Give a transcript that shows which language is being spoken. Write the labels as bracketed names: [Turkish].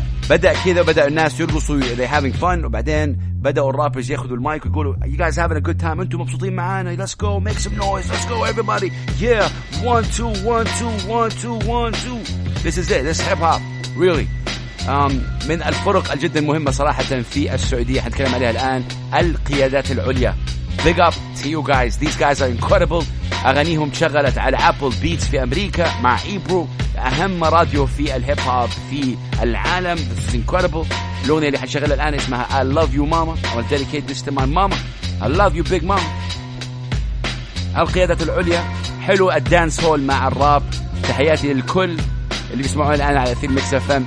[Arabic] بدأ كذا وبدأ الناس يرقصوا [English] they having fun, [Arabic] وبعدين بدأوا الرابرز يأخذوا المايك ويقولوا [English] you guys having a good time, [Arabic] أنتم مبسوطين معانا, [English] let's go make some noise, let's go everybody, yeah, 1 2 1 2 1 2 1 2, this is it, this is hip hop really. [Arabic] من الفرق الجدا مهمة صراحة في السعودية هنتكلم عليها الآن, القيادات العليا. [English] Big up to you guys, these guys are incredible. [Arabic] أغانيهم شغلت على Apple Beats في أمريكا مع Ebro, أهم راديو في الهيب هوب في العالم. [English] This is incredible. [Arabic] لون اللي حشغله الآن اسمها I Love You Mama. [English] I will dedicate this to my mama. I love you big mama. [Arabic] القيادة العليا, حلو الدانس هول مع الراب. تحياتي للكل اللي بيسمعوا الآن على أثير ميكس إف إم.